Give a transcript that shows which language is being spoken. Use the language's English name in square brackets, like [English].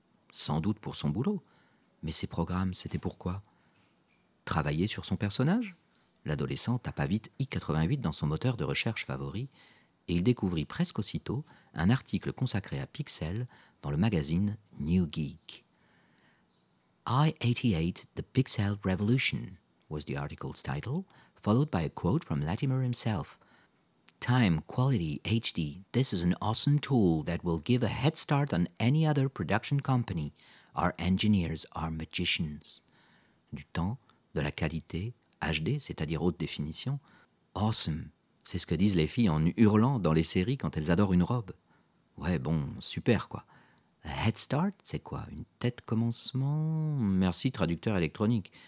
[French] Sans doute pour son boulot. Mais ces programmes, c'était pourquoi ? Travailler sur son personnage ? L'adolescent tapa vite I-88 dans son moteur de recherche favori et il découvrit presque aussitôt un article consacré à Pixel dans le magazine New Geek. [English] I-88, the Pixel Revolution, was the article's title, followed by a quote from Latimer himself. Time, quality, HD, this is an awesome tool that will give a head start on any other production company. Our engineers are magicians. [French] Du temps, de la qualité, HD, c'est-à-dire haute définition. Awesome, c'est ce que disent les filles en hurlant dans les séries quand elles adorent une robe. Ouais, bon, super, quoi. [English] A head start, [French] c'est quoi? Une tête commencement? Merci, traducteur électronique.